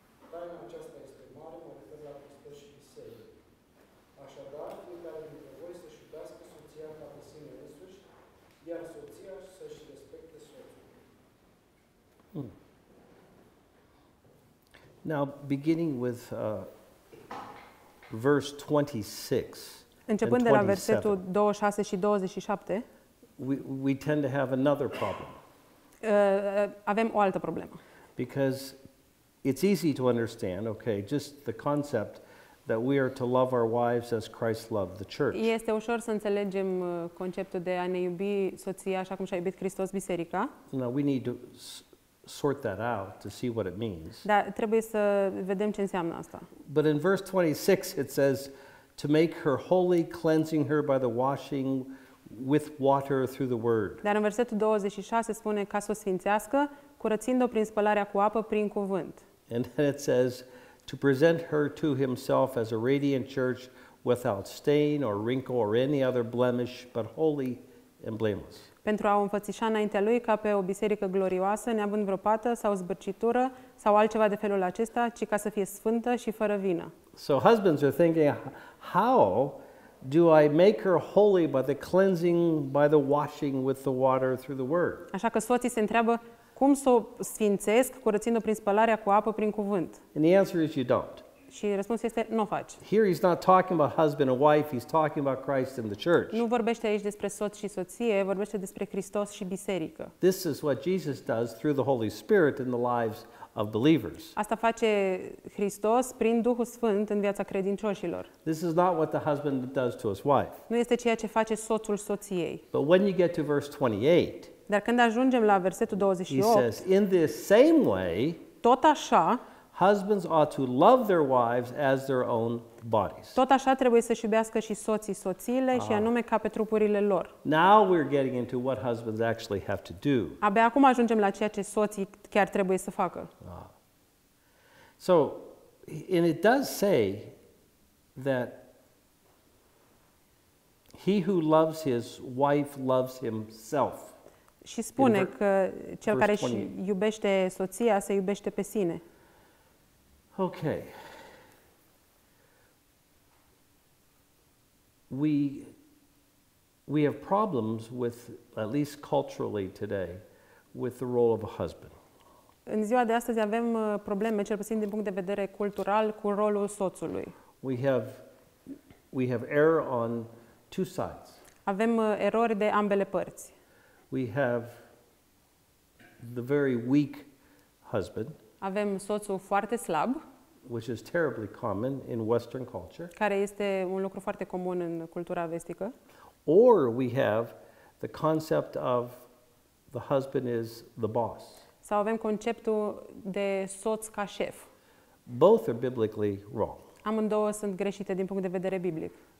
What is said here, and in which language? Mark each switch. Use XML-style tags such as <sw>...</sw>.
<ro>Taina aceasta este mare, mă refer la Hristos și biserică. Așadar, fiecare dintre voi să-și iubească soția ca pe sine însuși, iar soția să-și respecte soțul.</ro> <en>Now, beginning with verse 26.</en> <ro>Începând de la versetul 26 și 27,</ro> <en>we tend to have another problem.</en> <ro>Avem o altă problemă.</ro> <en>Because it's easy to understand, okay, just the concept that we are to love our wives as Christ loved the church.</en> <ro>Este ușor să înțelegem conceptul de a ne iubi soția așa cum și-a iubit Hristos biserica.</ro> <en>Now we need to sort that out to see what it means.</en> <ro>Da, trebuie să vedem ce înseamnă asta.</ro> <en>But in verse 26 it says to make her holy, cleansing her by the washing with water through the word.</en> <ro>Dar în versetul 26 spune ca să o sfințească, curățind-o prin spălarea cu apă prin cuvânt.</ro> <en>And then it says to present her to himself as a radiant church without stain or wrinkle or any other blemish, but holy and blameless.</en> <ro>Pentru a o înfățișa înaintea lui ca pe o biserică glorioasă, neavând vreo pată sau zbârcitură sau altceva de felul acesta, ci ca să fie sfântă și fără vină.</ro> <en>So husbands are thinking, how do I make her holy by the cleansing, by the washing with the water through the word?</en> <ro>Așa că soții se întreabă cum să o sfințesc curățindu-o prin spălarea cu apă prin cuvânt.</ro> <en>And the answer is you don't.</en> <ro>Și răspunsul este nu faci.</ro> <en>Here he's not talking about husband and wife, he's talking about Christ and the church.</en> <ro>Nu vorbește aici despre soț și soție, vorbește despre Hristos și biserică.</ro> <en>This is what Jesus does through the Holy Spirit in the lives of believers.</en> <ro>Asta face Hristos prin Duhul Sfânt în viața credincioșilor.</ro> <en>This is not what the husband does to his wife.</en> <ro>Nu este ceea ce face soțul soției.</ro> <en>But when you get to verse 28,</en> <ro>dar când ajungem la versetul 28,</ro> <en>he says, in this same way,</en> <ro>tot așa,</ro> <en>Husbands ought to love their wives as their own bodies.</en> <ro>Tot așa trebuie să-și iubească și soții soțiile și anume ca pe trupurile lor.</ro> <en>Now we're getting into what husbands actually have to do.</en> <ro>Abia acum ajungem la ceea ce soții chiar trebuie să facă.</ro> <en>So, and it does say that he who loves his wife loves himself.</en> <ro>Și spune că cel care își iubește soția se iubește pe sine.</ro> <en>Okay. We have problems with, at least culturally today, with the role of a husband.</en> <ro>În ziua de astăzi avem probleme, cel puțin din punct de vedere cultural, cu rolul soțului.</ro> <en>We have error on two sides.</en> <ro>Avem erori de ambele părți.</ro> <en>We have the very weak husband.</en> <ro>Avem soțul foarte slab.</ro> <en>Which is terribly common in Western culture.</en> <ro>Care este un lucru foarte comun în cultura vestică.</ro> <en>Or we have the concept of the husband is the boss.</en> <ro>Sau avem conceptul de soț ca șef.</ro> <en>Both are biblically wrong.</en> <ro>Amândouă sunt greșite din punct de vedere biblic.</ro>